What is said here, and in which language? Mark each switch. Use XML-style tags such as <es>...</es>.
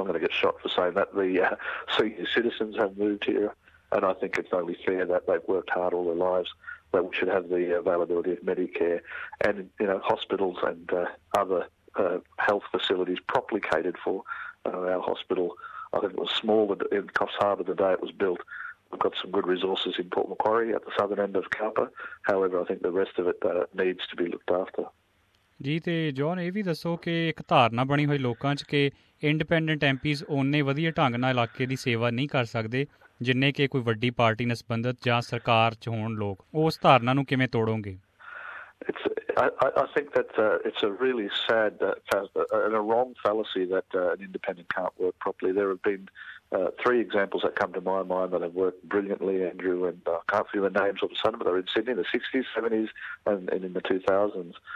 <en>I'm going to get shot for saying that. The senior citizens have moved here, and I think it's only fair that they've worked hard all their lives, that we should have the availability of Medicare and, you know, hospitals and other health facilities properly catered for. Our hospital, I think it was smaller in Coffs Harbour the day it was built. We've got some good resources in Port Macquarie at the southern end of Cowper. However, I think the rest of it needs to be looked after.</en> <pa>ਜੀ ਅਤੇ zone, ਇਹ ਵੀ ਦੱਸੋ ਕਿ ਇੱਕ ਧਾਰਨਾ ਬਣੀ ਹੋਈ ਲੋਕਾਂ 'ਚ ਕਿ ਇੰਡੀਪੈਂਡੈਂਟ ਐਮ ਪੀਜ਼ ਓਨੇ ਵਧੀਆ ਢੰਗ ਨਾਲ ਇਲਾਕੇ ਦੀ ਸੇਵਾ ਨਹੀਂ ਕਰ ਸਕਦੇ ਜਿੰਨੇ ਕਿ ਕੋਈ ਵੱਡੀ ਪਾਰਟੀ ਨਾਲ ਸੰਬੰਧਿਤ ਜਾਂ ਸਰਕਾਰ 'ਚ ਹੋਣ ਲੋਕ, ਉਸ ਧਾਰਨਾ ਨੂੰ ਕਿਵੇਂ ਤੋੜੋਗੇ?</pa> <en>I think that it's a really sad and a wrong fallacy that an independent can't work properly. There have been three examples that come to my mind that have worked brilliantly, Andrew, and I can't feel the names all of a sudden, but they're in Sydney in the 60s, 70s, and in the 2000s.</en>